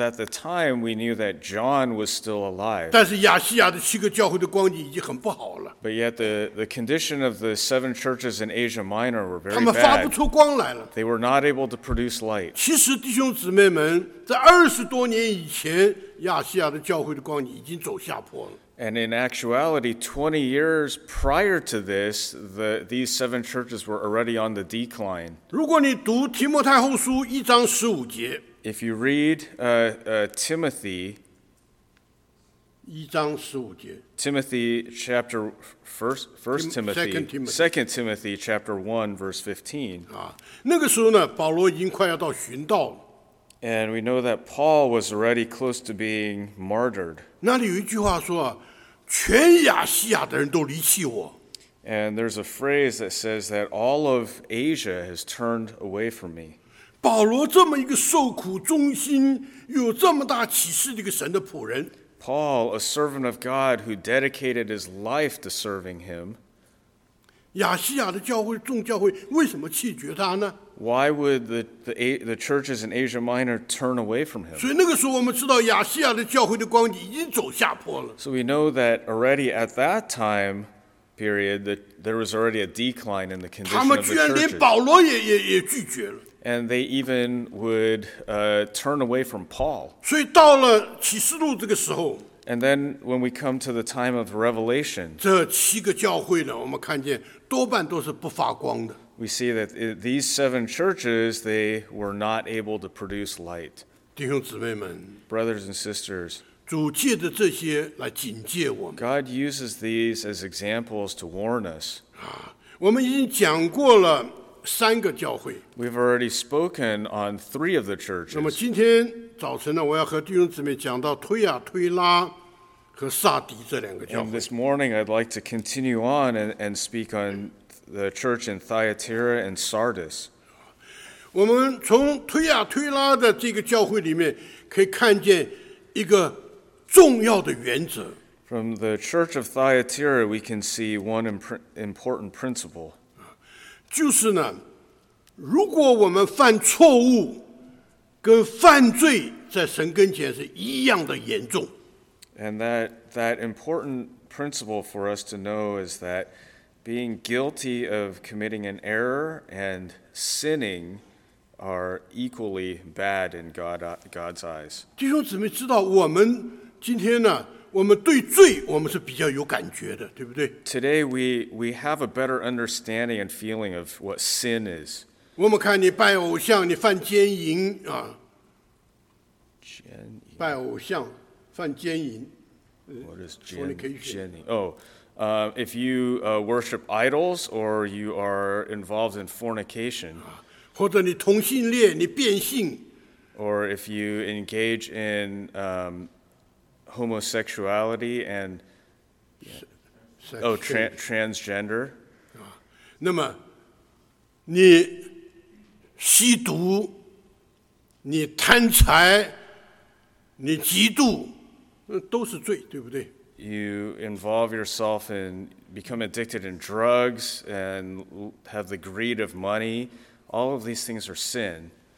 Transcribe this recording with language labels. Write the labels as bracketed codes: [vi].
[en] at the time we knew that John was still alive. But yet the condition of the seven churches in Asia Minor were very bad. They were not able to produce light. [zh] 其实弟兄姊妹们，在二十多年以前，亚细亚的教会的光景已经走下坡了。 [en] And in actuality, 20 years prior to this, these seven churches were already on the decline. [zh] 如果你读提摩太后书一章十五节， [en] If you read Timothy, [zh] 一章十五节， [en] Timothy chapter Second Timothy chapter 1 verse 15. [zh] 那个时候呢，保罗已经快要到殉道了。 [en] And we know that Paul was already close to being martyred. [zh] 那里有一句话说，全亚细亚的人都离弃我。 [en] And there's a phrase that says that all of Asia has turned away from me. [zh] 保罗这么一个受苦忠心、有这么大启示的一个神的仆人。 [en] Paul, a servant of God who dedicated his life to serving him. [zh] 亚细亚的教会、众教会为什么弃绝他呢？ [en] Why would the churches in Asia Minor turn away from him? [zh] 所以那个时候我们知道亚细亚的教会的光景已经走下坡了。 [en] So we know that already at that time period that there was already a decline in the condition of the churches. [zh] 他们居然连保罗也拒绝了。 [en] And they even would turn away from Paul. [zh] 所以到了启示录这个时候。 [en] And then when we come to the time of Revelation. [zh] 这七个教会呢，我们看见多半都是不发光的。 [en] We see that these seven churches, they were not able to produce light. [zh] 弟兄姊妹们, [en] Brothers and sisters, [zh] 主借着这些来警戒我们。 [en] God uses these as examples to warn us. [zh] 我们已经讲过了三个教会。 [en] We've already spoken on three of the churches. [zh] 那么今天早晨呢，我要和弟兄姊妹讲到推亚推拉。 [en] And this morning, I'd like to continue on and speak on the church in Thyatira and Sardis. We can see from Thyatira and Sardis. From the church of Thyatira, we can see one important principle. [zh] 就是呢，如果我们犯错误，跟犯罪在神跟前是一样的严重。 [en] And that important principle for us to know is that being guilty of committing an error and sinning are equally bad in God's eyes. [zh] 弟兄姊妹知道我们今天呢，我们对罪我们是比较有感觉的，对不对？ [en] Today we have a better understanding and feeling of what sin is. [zh] 我们看你拜偶像，你犯奸淫啊，奸淫，拜偶像。犯奸淫, [en] what is fornication? If you worship idols or you are involved in fornication, [zh] 或者你同性恋, 你变性, [en] or if you engage in homosexuality and transgender, [zh] 那么你吸毒, 你贪财, 你嫉妒。都是罪，对不对？ [en] You involve yourself in become addicted in drugs and have the greed of money. All of these things are sin.